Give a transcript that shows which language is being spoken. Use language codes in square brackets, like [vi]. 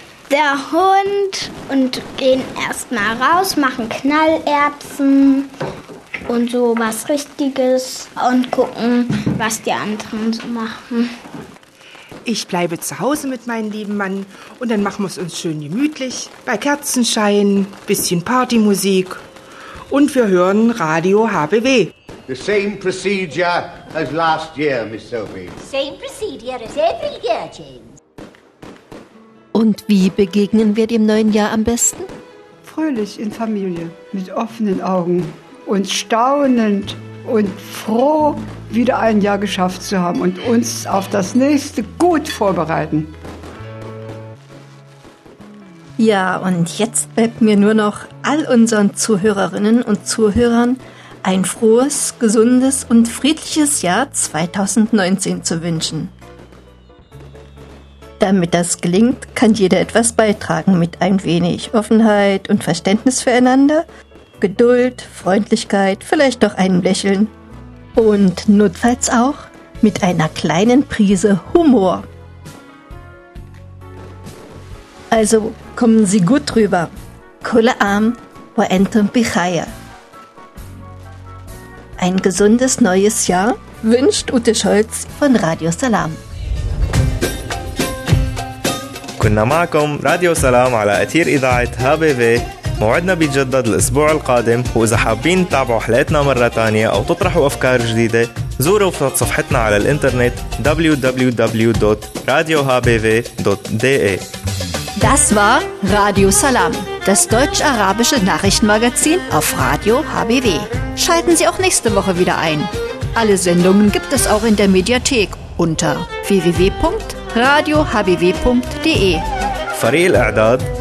[de] Der Hund und gehen erstmal raus, machen Knallerbsen und so was Richtiges und gucken, was die anderen so machen. Ich bleibe zu Hause mit meinem lieben Mann und dann machen wir es uns schön gemütlich. Bei Kerzenschein, bisschen Partymusik und wir hören Radio HBW. [en] The same procedure as last year, Miss Sophie. Same procedure as every year, James. [de] Und wie begegnen wir dem neuen Jahr am besten? Fröhlich in Familie, mit offenen Augen und staunend und froh, wieder ein Jahr geschafft zu haben und uns auf das nächste gut vorbereiten. Ja, und jetzt bleibt mir nur noch all unseren Zuhörerinnen und Zuhörern ein frohes, gesundes und friedliches Jahr 2019 zu wünschen. Damit das gelingt, kann jeder etwas beitragen mit ein wenig Offenheit und Verständnis füreinander, Geduld, Freundlichkeit, vielleicht auch einem Lächeln und notfalls auch mit einer kleinen Prise Humor. Also kommen Sie gut rüber. [ar] Kol am wa entum bichaya. [de] Ein gesundes neues Jahr wünscht Ute Scholz von Radio Salam. [ar] كنا معكم راديو سلام على أثير إذاعة HBV. موعدنا بيتجدد الأسبوع القادم، وإذا حابين تتابعوا حلقتنا مرة تانية أو تطرحوا أفكار جديدة زوروا صفحتنا على الإنترنت www.radiohbw.de. [de] Das war Radio Salam, das deutsch-arabische Nachrichtenmagazin auf Radio HBW. Schalten Sie auch nächste Woche wieder ein. Alle Sendungen gibt es auch in der Mediathek unter www.radiohbw.de. [ar] فريق الإعداد